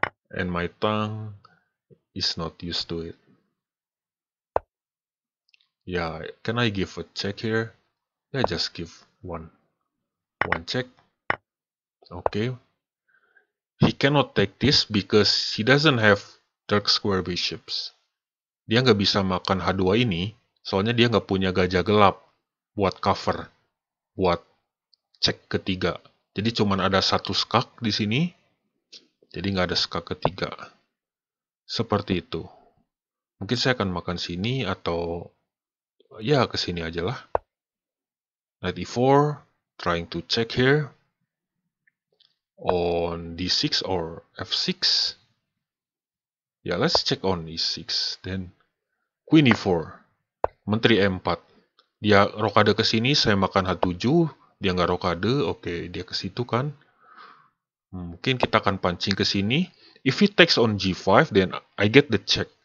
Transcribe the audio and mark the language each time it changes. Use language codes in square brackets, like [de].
[en] And my tongue is not used to it. Yeah, can I give a check here? Yeah, just give one check. Okay. He cannot take this because he doesn't have Turk square bishops. [id] Dia nggak bisa makan H2 ini. Soalnya dia nggak punya gajah gelap buat cover, buat cek ketiga. Jadi cuman ada satu skak di sini, jadi nggak ada skak ketiga. Seperti itu. Mungkin saya akan makan sini atau ya ke sini aja lah. [en] Knight E4, trying to check here. On D6 or F6. Yeah, let's check on E6. Then Queen E4. Menteri E4. [id] Dia rokade ke sini, saya makan H7. Dia nggak rokade, oke, dia ke situ kan. Mungkin kita akan pancing ke sini. [en] If he takes on G5, then I get the check.